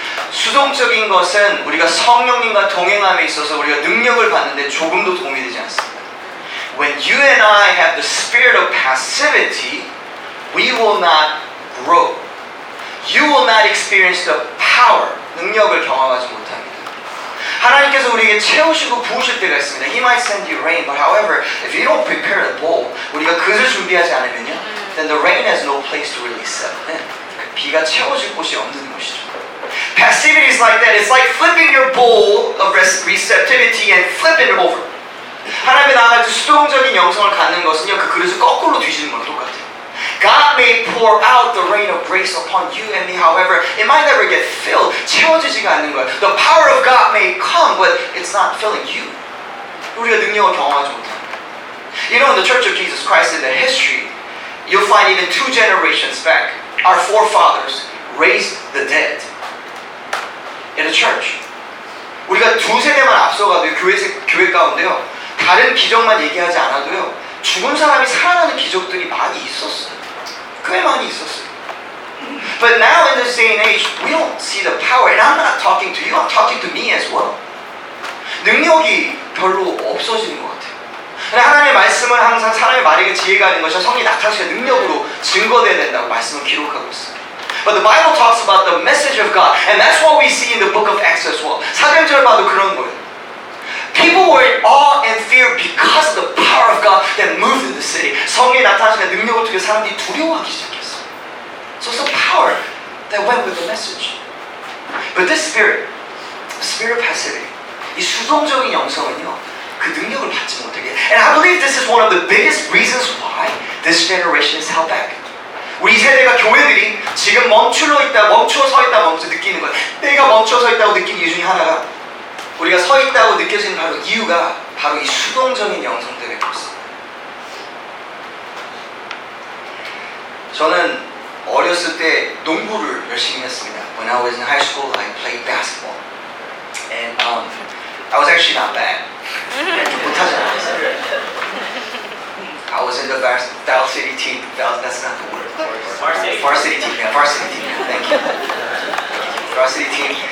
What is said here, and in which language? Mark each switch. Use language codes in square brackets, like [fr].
[ko] 수동적인 것은 우리가 성령님과 동행함에 있어서 우리가 능력을 받는데 조금도 도움이 되지 않습니다. [en] When you and I have the spirit of passivity, we will not grow. You will not experience the power, [ko] 능력을 경험하지 못합니다. 하나님께서 우리에게 채우시고 부으실 때가 있습니다. [en] He might send you rain, but however, if you don't prepare the bowl, [ko] 우리가 그릇을 준비하지 않으면요, [en] then the rain has no place to really settle in. [ko] 비가 채워질 곳이 없는 것이죠. [en] Passivity is like that. It's like flipping your bowl of receptivity and flipping it over. [ko] 하나님의 나라에서 수동적인 영성을 갖는 것은요, 그 그릇을 거꾸로 뒤지는 거랑 똑같아요. [en] God may pour out the rain of grace upon you and me, however, it might never get filled. [ko] 채워지지가 않는 거예요. [en] The power of God may come, but it's not filling you. [ko] 우리가 능력을 경험하지 못합니다. [en] You know, in the Church of Jesus Christ, in the history, you'll find even two generations back, our forefathers raised the dead in a church. [ko] 우리가 두 세대만 앞서가도 교회 가운데요, 다른 기적만 얘기하지 않아도요, 죽은 사람이 살아나는 기적들이 많이 있었어요. 꽤 많이 있었어요. [en] But now in this day and age, we don't see the power. And I'm not talking to you, I'm talking to me as well. [ko] 능력이 별로 없어지는 것 같아요. 하나님의 말씀은 항상 사람의 말에게 지혜가 아닌 것이야 성령이 나타나셔야 능력으로 증거되어야 된다고 말씀을 기록하고 있어요. [en] But the Bible talks about the message of God. And that's what we see in the book of Acts as well. [ko] 사도행전을 봐도 그런 거예요. [en] People were in awe and fear because of the power of God that moved in the city. [ko] 성령이 나타나시는 능력을 통해 사람들이 두려워하기 시작했어. [en] So it's the power that went with the message. But this spirit, spirit of passivity, [ko] 이 수동적인 영성은요, 그 능력을 받지 못하게. [en] And I believe this is one of the biggest reasons why this generation is held back. [ko] 우리 세대가 교회들이 지금 멈추어 있다, 멈추어 서 있다, 멈추어 느끼는 거야. 내가 멈추어 서 있다고 느낀 이유 중에 하나가 우리가 서 있다고 느껴지는 바로 이유가 바로 이 수동적인 영성 때문에 그렇습니다. 저는 어렸을 때 농구를 열심히 했습니다. [en] When I was in high school, I played basketball. And I was actually not bad. [ko] 못하지 않았어요. [en] I was in the varsity team. That's not the word. Varsity team. Yeah, varsity team. Yeah, thank you. Varsity team.